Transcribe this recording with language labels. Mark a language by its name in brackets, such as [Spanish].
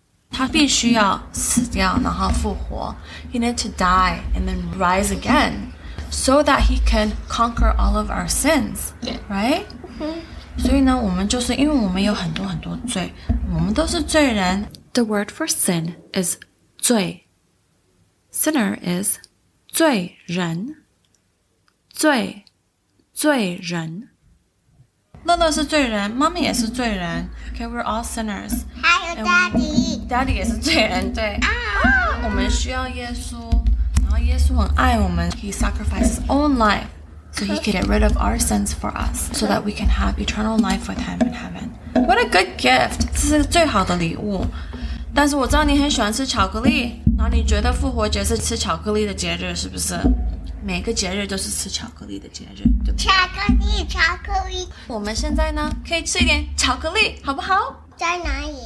[Chinese] 他必须要死掉然后复活。 [English] He needed to die and then rise again. So that he can conquer all of our sins, right? Mm-hmm. [Chinese] 所以呢，我们就是因为我们有很多很多罪，我们都是罪人。 [English] The word for sin is 罪。Sinner is 罪人。 [Chinese] 罪，罪人。乐乐是罪人，妈妈也是罪人。 [English] Okay, we're all sinners. [Chinese] 还有 Daddy. Daddy 也是罪人，对。 Ah. 我们需要耶稣。耶稣很爱我们 [English] He sacrificed his own life so he could get rid of our sins for us so that we can have eternal life with him in heaven. What a good gift! [Chinese] 这是最好的礼物。但是我知道你很喜欢吃巧克力，然后你觉得复活节是吃巧克力的节日，是不是？每个节日都是吃巧克力的节日，对不对？巧克力，巧克力。我们现在呢，可以吃一点巧克力，好不好？在哪里